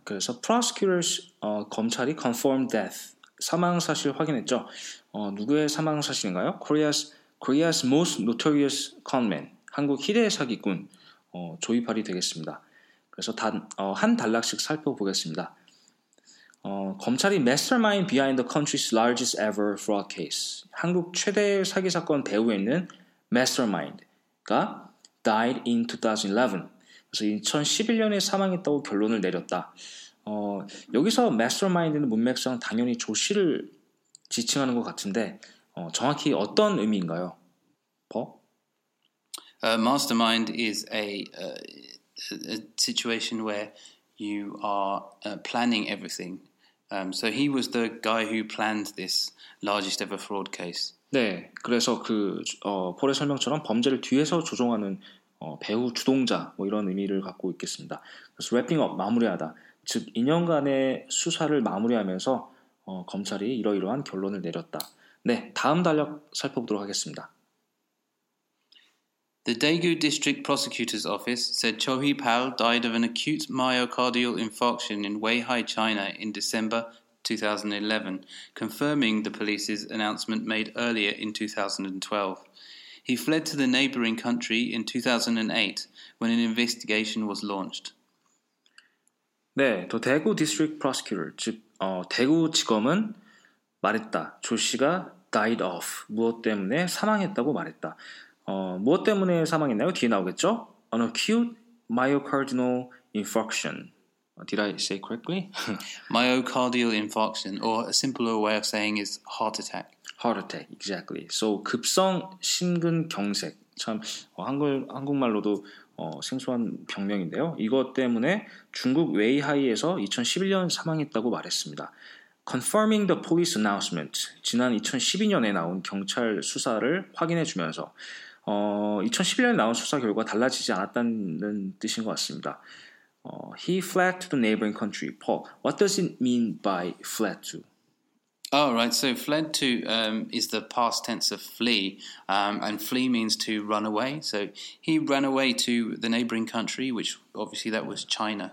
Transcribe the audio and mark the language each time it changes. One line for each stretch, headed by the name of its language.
English: 그래서 prosecutors,
Korean: 검찰이
English: confirmed death.
Korean: 사망 사실 확인했죠. 누구의 사망 사실인가요?
English: Korea's most notorious conman.
Korean: 한국 희대의 사기꾼 조이팔이 되겠습니다. 그래서 한 단락씩 살펴보겠습니다. 검찰이
English: mastermind behind the country's largest ever fraud case.
Korean: 한국 최대 사기 사건 배후에 있는 mastermind가
English: died in 2011.
Korean: 그래서 2011년에 사망했다고 결론을 내렸다. 여기서 mastermind는 문맥상 당연히 조 씨를 지칭하는 것 같은데 정확히 어떤 의미인가요? 버?
English: Mastermind is a situation where you are planning everything. So he was the guy who planned this largest ever fraud case.
Korean: 네, 그래서 그 폴의 설명처럼 범죄를 뒤에서 조종하는 배후 주동자 뭐 이런 의미를 갖고 있겠습니다. 그래서
English: wrapping up,
Korean: 마무리하다. 즉 2년간의 수사를 마무리하면서 검찰이 이러이러한 결론을 내렸다. 네, 다음 단락 살펴보도록 하겠습니다.
English: The Daegu District Prosecutor's Office said Cho Hee-pal died of an acute myocardial infarction in Weihai, China in December 2011, confirming the police's announcement made earlier in 2012. He fled to the neighboring country in 2008 when an investigation was launched.
Korean: 네, 더 대구 디스트릭트 프로스큐터, 즉 대구 지검은 말했다. 조 씨가
English: died of
Korean: 무엇 때문에 사망했다고 말했다. 무엇 때문에 사망했나요? 뒤에 나오겠죠?
English: An acute myocardial infarction. Did I say correctly? Myocardial infarction, or a simpler way of saying is heart attack. Heart attack, exactly. So
Korean: 급성 심근경색. 참 한국말로도 생소한 병명인데요. 이것 때문에 중국 웨이하이에서 2011년 사망했다고 말했습니다.
English: Confirming the police announcement.
Korean: 지난 2012년에 나온 경찰 수사를 확인해주면서 2011년에 나온 수사 결과 달라지지 않았다는 뜻인 것 같습니다.
English: He fled to the neighboring country. Paul, what does it mean by fled to? Oh, right. So fled to is the past tense of flee, and flee means to run away. So he ran away to the neighboring country, which obviously that was China.